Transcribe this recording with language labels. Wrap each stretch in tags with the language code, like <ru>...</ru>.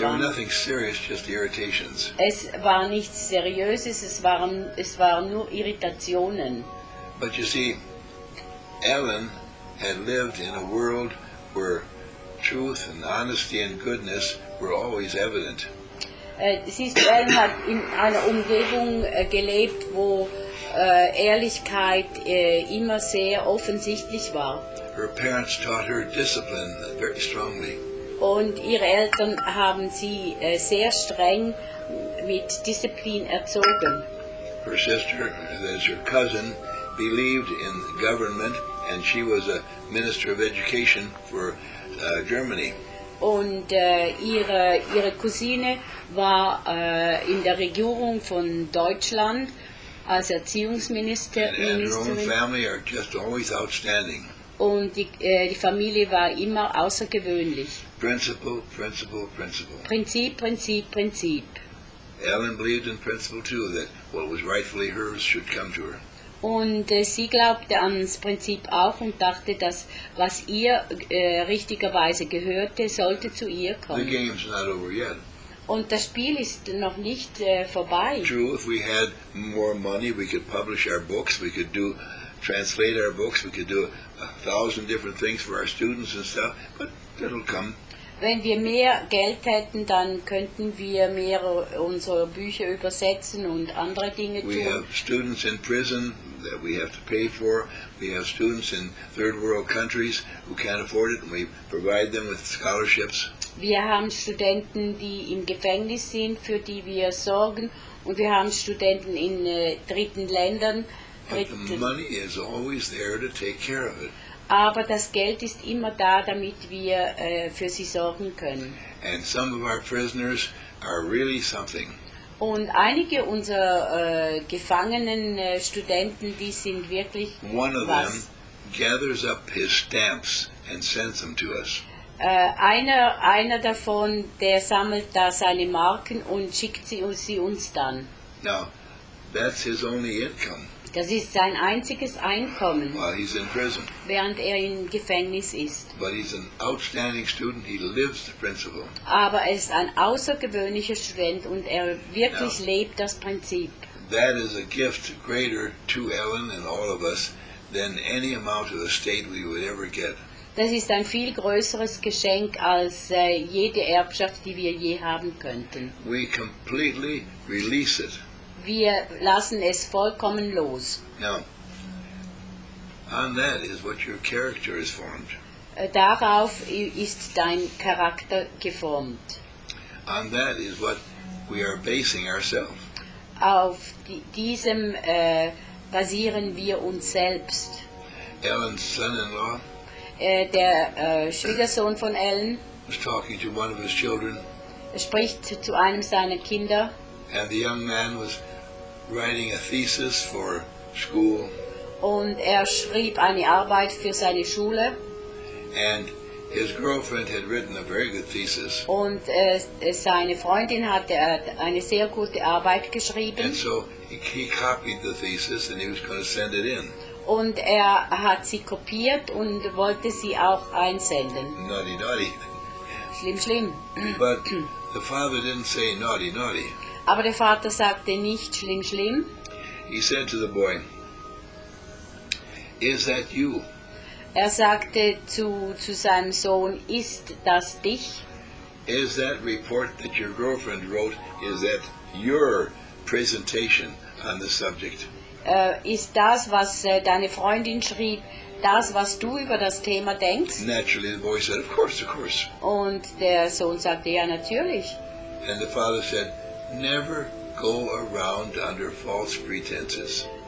<en>There were nothing serious, just irritations.</en> <de>Es war nichts Seriöses. Es waren nur Irritationen.</de> <en>But you see, Ellen had lived in a world where truth and honesty and goodness were always evident.</en> <de>Siehst du, Ellen hat in einer Umgebung gelebt, wo Ehrlichkeit immer sehr offensichtlich war.</de> <en>Her parents taught her discipline very strongly.</en> <de>Und ihre Eltern haben sie sehr streng mit Disziplin erzogen.</de> <en>Her sister, that's her cousin, believed in government, and she was a minister of education for Germany.</en> <de>Und ihre Cousine war in der Regierung von Deutschland als Erziehungsministerin.</de> <en>And her own family are just always outstanding.</en> <de>Und die Familie war immer außergewöhnlich.</de> <en>Principle, principle, principle.</en> <de>Prinzip, Prinzip, Prinzip.</de> <en>Ellen believed in principle too, that what was rightfully hers should come to her.</en> <de>Und sie glaubte ans Prinzip auch und dachte, dass was ihr richtigerweise gehörte, sollte zu ihr kommen.</de> <en>The game's not over yet.</en> <de>Und das Spiel ist noch nicht vorbei.</de> <en>True, if we had more money, we could publish our books, we could do translate our books, we could do 1,000 different things for our students and stuff, but it'll come.</en> <de>Wenn wir mehr Geld hätten, dann könnten wir mehr unsere Bücher übersetzen und andere Dinge tun.</de> <en>We have students in prison that we have to pay for. We have students in third world countries who can't afford it, and we provide them with scholarships.</en> <de>Wir haben Studenten, die im Gefängnis sind, für die wir sorgen, und wir haben Studenten in dritten Ländern.</de> <en>But the money is always there to take care of it.</en> <de>Aber das Geld ist immer da, damit wir für sie sorgen können.</de> <en>And some of our prisoners are really something.</en> <de>Und einige unserer Gefangenen, Studenten, die sind wirklich was.</de> <en>One of them gathers up his stamps and sends them to us.</en> <de>Einer davon, der sammelt da seine Marken und schickt sie uns dann.</de> <en>Now, that's his only income.</en> <de>Das ist sein einziges Einkommen,</de> <en>while he's in prison.</en> <de>Während er im Gefängnis ist.</de> <en>But he's an outstanding student. He lives the principle.</en> <de>Aber er ist ein außergewöhnlicher Student und er wirklich</de> <en>Now,</en> <de>lebt das Prinzip.</de> <en>That is a gift greater to Ellen and all of us than any amount of estate we would ever get.</en> <de>Das ist ein viel größeres Geschenk als jede Erbschaft, die wir je haben könnten.</de> <en>We completely release it.</en> <de>Wir lassen es vollkommen los.</de> <en>Now, on that is what your character is formed.</en> <de>Darauf ist dein Charakter geformt.</de> <en>On that is what we are basing ourselves.</en> <de>Auf diesem basieren wir uns selbst.</de> <en>Ellen's son-in-law.</en> <de>Der Schwiegersohn von Ellen.</de> <en>Is talking to one of his children.</en> <de>Spricht zu einem seiner Kinder.</de> <en>And the young man was writing a thesis for school.</en> <de>Und schrieb eine Arbeit für seine Schule.</de> <en>And his girlfriend had written a very good thesis.</en> <de>Und seine Freundin hatte eine sehr gute Arbeit geschrieben.</de> <en>And so he copied the thesis and he was going to send it in.</en> <de>Und hat sie kopiert und wollte sie auch einsenden.</de> <en>Naughty, naughty.</en> <de>Schlimm, schlimm.</de> <en>But the father didn't say naughty, naughty.</en> <de>Aber der Vater sagte nicht schlimm, schlimm.</de> <en>He said to the boy, is that you?</en> <de>Sagte zu seinem Sohn, ist das dich?</de> <en>Is that report that your girlfriend wrote, is that your presentation on the subject?</en> <de>Ist das, was deine Freundin schrieb, das, was du über das Thema denkst?</de> <en>Naturally, the boy said, of course, of course.</en> <de>Und der Sohn sagte, ja, natürlich.</de> <en>And the father said, never go around under false pretenses.</en>